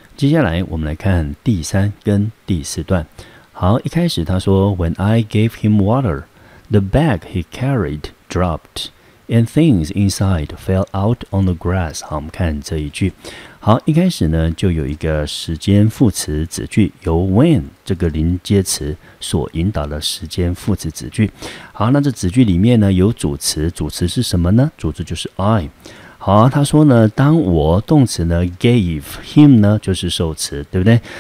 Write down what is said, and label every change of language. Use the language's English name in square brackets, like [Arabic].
[Chinese] 接下来我们来看第三跟第四段。好，一开始他说 [English] When I gave him water, the bag he carried dropped, and things inside fell out on the grass. [Chinese] 好，我们看这一句。好，一开始呢就有一个时间副词子句，由 when 这个临接词所引导的时间副词子句。好，那这子句里面呢有主词，主词是什么呢？主词就是 I。好，他说呢，当我动词呢 gave him 呢就是受词，对不对？